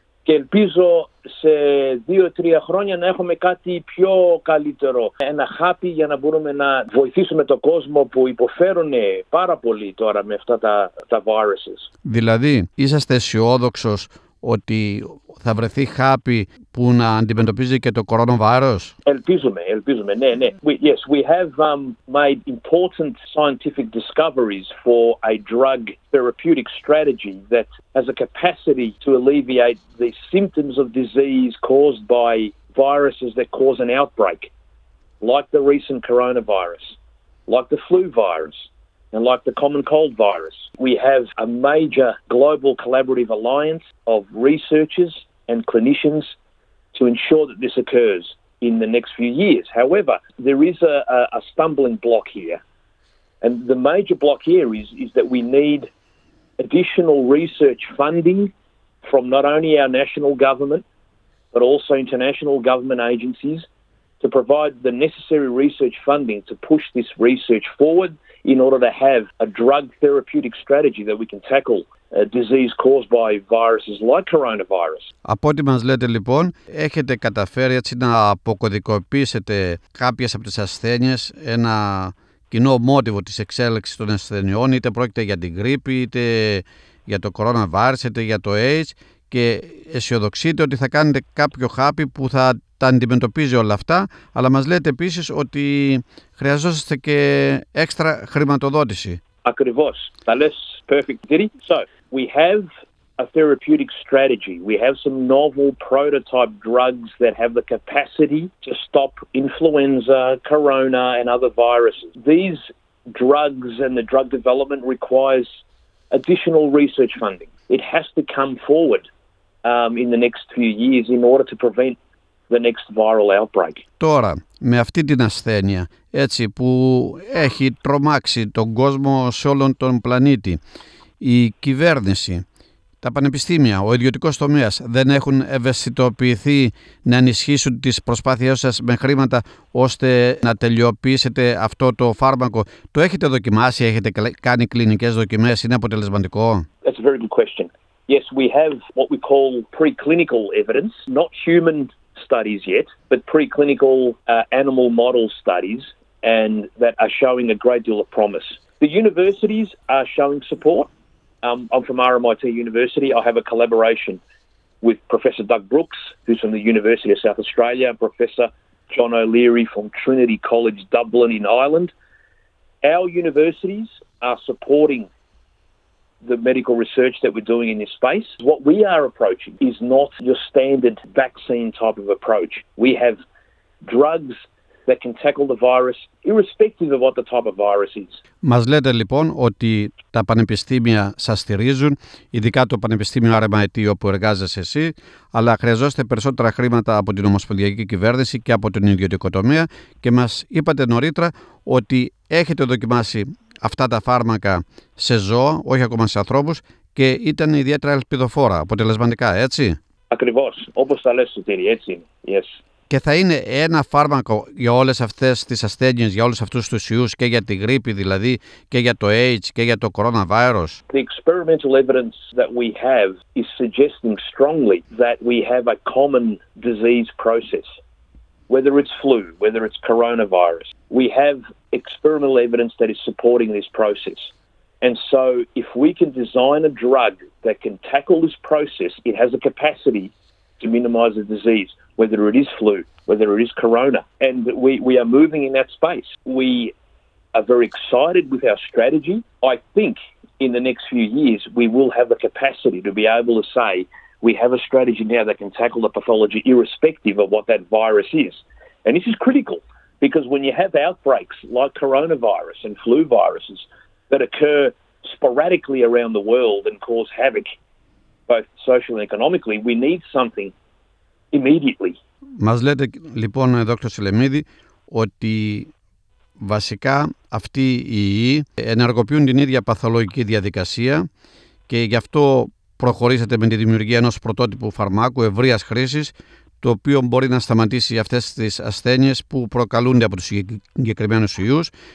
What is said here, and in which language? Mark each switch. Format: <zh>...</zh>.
<el>Και ελπίζω σε 2-3 χρόνια να έχουμε κάτι πιο καλύτερο. Ένα χάπι για να μπορούμε να βοηθήσουμε τον κόσμο που υποφέρουν πάρα πολύ τώρα με αυτά τα viruses. Δηλαδή, είσαστε αισιόδοξος ότι θα βρεθεί χάπι που να αντιμετωπίζει και το coronavirus? Ελπίζουμε, ναι, ναι.</el> <en>We have made important scientific discoveries for a drug therapeutic strategy that has a capacity to alleviate the symptoms of disease caused by viruses that cause an outbreak, like the recent coronavirus, like the flu virus, and like the common cold virus. We have a major global collaborative alliance of researchers and clinicians to ensure that this occurs in the next few years. However, there is a stumbling block here. And the major block here is that we need additional research funding from not only our national government, but also international government agencies to provide the necessary research funding to push this research forward in order to have a drug therapeutic strategy that we can tackle a disease caused by viruses like coronavirus.</en> <el>Από ό,τι μας λέτε λοιπόν, έχετε καταφέρει έτσι να αποκωδικοποιήσετε κάποιες από τις ασθένειες, ένα κοινό μότιβο της εξέλιξης των ασθενειών, είτε πρόκειται για την γρήπη, είτε για το coronavirus, είτε για το AIDS, και αισιοδοξείτε ότι θα κάνετε κάποιο χάπι που θα τα αντιμετωπίζει όλα αυτά, αλλά μας λέτε επίσης ότι χρειαζόσαστε και έξτρα χρηματοδότηση. Ακριβώς. Τα λες</el> <en>perfect, Didi. So, we have a therapeutic strategy. We have some novel prototype drugs that have the capacity to stop influenza, corona and other viruses. These drugs and the drug development requires additional research funding. It has to come forward in the next few years in order to prevent the next viral outbreak.</en> <el>Τώρα, με αυτή την ασθένεια, έτσι, που έχει τρομάξει τον κόσμο σε όλον τον πλανήτη, η κυβέρνηση, τα πανεπιστήμια, ο ιδιωτικός τομέας δεν έχουν ευαισθητοποιηθεί να ενισχύσουν τις προσπάθειές σας με χρήματα ώστε να τελειοποιήσετε αυτό το φάρμακο? Το έχετε δοκιμάσει, έχετε κάνει κλινικές δοκιμές, είναι αποτελεσματικό?</el> <en>That's a very good question. Yes, we have what we call preclinical evidence, not human studies yet, but preclinical animal model studies, and that are showing a great deal of promise. The universities are showing support. I'm from RMIT University. I have a collaboration with Professor Doug Brooks, who's from the University of South Australia, and Professor John O'Leary from Trinity College Dublin in Ireland. Our universities are supporting the medical research that we're doing in this space. What we are approaching is not your standard vaccine type of approach. We have drugs that can tackle the virus irrespective of what the type of virus is.</en> <el>Μας λέτε λοιπόν ότι τα πανεπιστήμια σας στηρίζουν, ειδικά το πανεπιστήμιο RMIT όπου εργάζεσαι εσύ, αλλά χρειαζόστε περισσότερα χρήματα από την ομοσπονδιακή κυβέρνηση και από τον ιδιωτικό τομέα, και μας είπατε νωρίτερα ότι έχετε δοκιμάσει αυτά τα φάρμακα σε ζώα, όχι ακόμα σε ανθρώπους, και ήταν ιδιαίτερα ελπιδοφόρα, αποτελεσματικά, έτσι? Ακριβώς, όπως τα λες, Σωτήρη, έτσι είναι.</el> <en>Yes.</en> <el>Και θα είναι ένα φάρμακο για όλες αυτές τις ασθένειες, για όλους αυτούς τους ιούς, και για τη γρήπη δηλαδή, και για το AIDS, και για το coronavirus?</el> <en>The experimental evidence that we have is suggesting strongly that we have a common disease process. Whether it's flu, whether it's coronavirus, we have experimental evidence that is supporting this process. And so if we can design a drug that can tackle this process, it has the capacity to minimize the disease, whether it is flu, whether it is corona. And we are moving in that space. We are very excited with our strategy. I think in the next few years, we will have the capacity to be able to say, we have a strategy now that can tackle the pathology irrespective of what that virus is. And this is critical because when you have outbreaks like coronavirus and flu viruses that occur sporadically around the world and cause havoc both socially and economically, we need something immediately</en> <el>Μας λέτε λοιπόν, Δόκτωρ Σελεμίδη, ότι βασικά αυτοί οι ιοί ενεργοποιούν την ίδια παθολογική διαδικασία και γι' αυτό προχωρήσατε με τη δημιουργία ενός πρωτότυπου φαρμάκου ευρείας χρήσης, το οποίο μπορεί να σταματήσει αυτές τις ασθένειες που προκαλούνται από τους συγκεκριμένους ιούς,</el>